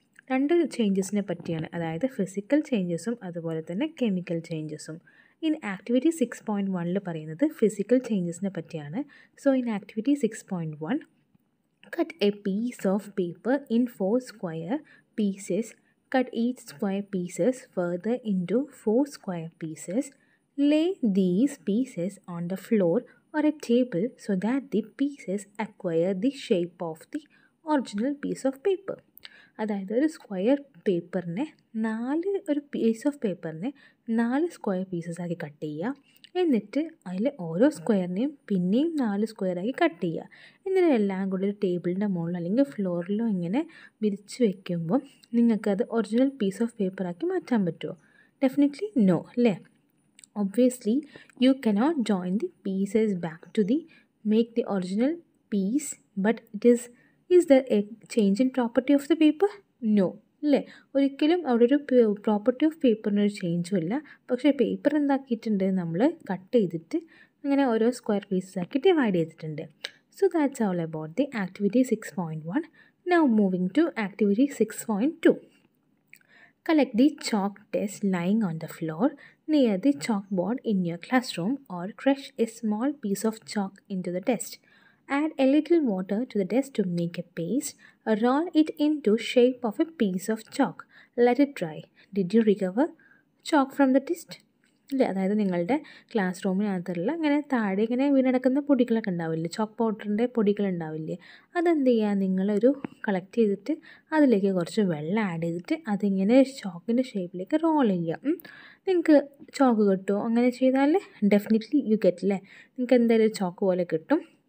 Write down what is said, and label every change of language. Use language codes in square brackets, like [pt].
[ml] രണ്ട് ചേഞ്ചസിനെ പറ്റിയാണ് അതായത് ഫിസിക്കൽ ചേഞ്ചസും അതുപോലെ തന്നെ കെമിക്കൽ ചേഞ്ചസും ഇൻ ആക്ടിവിറ്റി 6.1 പറയുന്നത് ഫിസിക്കൽ ചേഞ്ചസിനെ പറ്റിയാണ് so in activity 6.1 [en] Cut a piece of paper in 4 square pieces. Cut each square pieces further into 4 square pieces. Lay these pieces on the floor or a table so that the pieces acquire the shape of the original piece of paper. [ml] അതായത് ഒരു square പേപ്പറിനെ നാല് ഒരു piece of പേപ്പറിനെ നാല് square പീസസ്സാക്കി cut ചെയ്യുക എന്നിട്ട് അതിലെ ഓരോ സ്ക്വയറിനെയും പിന്നെയും നാല് സ്ക്വയറാക്കി കട്ട് ചെയ്യുക എന്നിട്ട് എല്ലാം കൂടി ഒരു ടേബിളിൻ്റെ മുകളിലോ അല്ലെങ്കിൽ ഫ്ലോറിലോ ഇങ്ങനെ വിരിച്ച് വെക്കുമ്പോൾ നിങ്ങൾക്കത് ഒറിജിനൽ പീസ് ഓഫ് പേപ്പറാക്കി മാറ്റാൻ പറ്റുമോ ഡെഫിനറ്റ്ലി നോ അല്ലേ [en] obviously you cannot join the pieces back to the make the original piece but it is is there a change in property of the paper no [ml] അല്ലേ ഒരിക്കലും അവിടെ ഒരു property of പേപ്പറിനൊരു ചേഞ്ചും ഇല്ല പക്ഷേ paper എന്താക്കിയിട്ടുണ്ട് നമ്മൾ cut ചെയ്തിട്ട് അങ്ങനെ ഓരോ സ്ക്വയർ പീസസാക്കി ഡിവൈഡ് ചെയ്തിട്ടുണ്ട് [en] So that's all about the activity 6.1 now moving to activity 6.2 collect the chalk dust lying on the floor near the chalk board in your class room or crush a small piece of chalk into the dust Add a little water to the dust to make a paste. Roll it into shape of a piece of chalk. Let it dry. Did you recover chalk from the dust? [ml] അല്ലേ അതായത് നിങ്ങളുടെ class റൂമിനകത്തുള്ള ഇങ്ങനെ താഴെ ഇങ്ങനെ വീണടക്കുന്ന പൊടികളൊക്കെ ഉണ്ടാവില്ലേ chalk പൗഡറിൻ്റെ പൊടികളുണ്ടാവില്ലേ അതെന്ത് ചെയ്യുക നിങ്ങളൊരു കളക്ട് ചെയ്തിട്ട് അതിലേക്ക് കുറച്ച് വെള്ളം ആഡ് ചെയ്തിട്ട് അതിങ്ങനെ ചോക്കിൻ്റെ ഷേപ്പിലേക്ക് റോൾ ചെയ്യുക നിങ്ങൾക്ക് ചോക്ക് കിട്ടുമോ അങ്ങനെ ചെയ്താൽ [en] definitely you get [ml] അല്ലേ നിങ്ങൾക്ക് എന്തായാലും ഒരു ചോക്ക് പോലെ കിട്ടും